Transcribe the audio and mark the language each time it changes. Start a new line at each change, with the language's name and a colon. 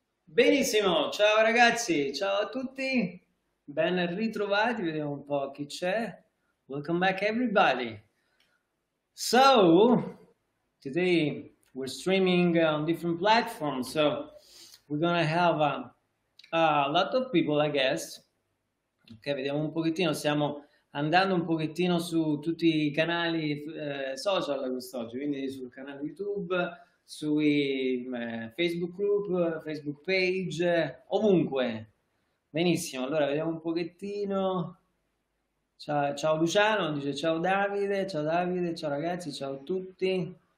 Italian: Benissimo, ciao ragazzi, ciao a tutti, ben ritrovati, vediamo un po' chi c'è.
English: Welcome back everybody. So, today we're streaming on different platforms, so we're gonna have a lot of people, I guess.
Italian: Ok, vediamo un pochettino, stiamo andando un pochettino su tutti i canali social quest'oggi, quindi sul canale YouTube, sui Facebook group, Facebook page, ovunque. Benissimo, allora vediamo un pochettino. Ciao Luciano, dice ciao Davide, ciao ragazzi, ciao a tutti.